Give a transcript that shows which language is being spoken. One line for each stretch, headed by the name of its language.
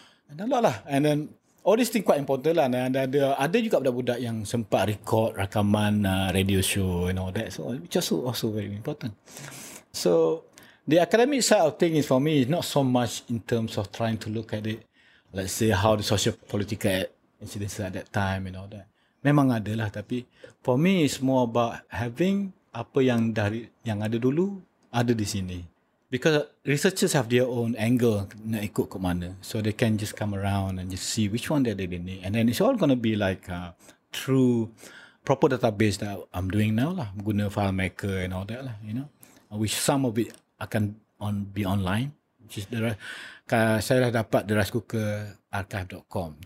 English: And a lot lah. And then all these things quite important lah. And
Malay: ada juga budak-budak yang sempat
English: record rakaman radio show and all that. So which also very important. So the academic side of thing is, for me, is not so much in terms of trying to look at it, let's say how the social political incidents at that time and all that.
Malay: Memang ada lah, tapi
English: for me it's more about having
Malay: apa yang dari yang ada dulu ada di sini.
English: Because researchers have their own angle
Malay: nak ikut ke mana.
English: So they can just come around and just see which one they need. And then it's all going to be like through proper database that I'm doing now lah. Guna FileMaker and all that lah, you know. Which some of it akan be online. Which is
Malay: saya dah dapat
English: the Rice Cooker archive.com.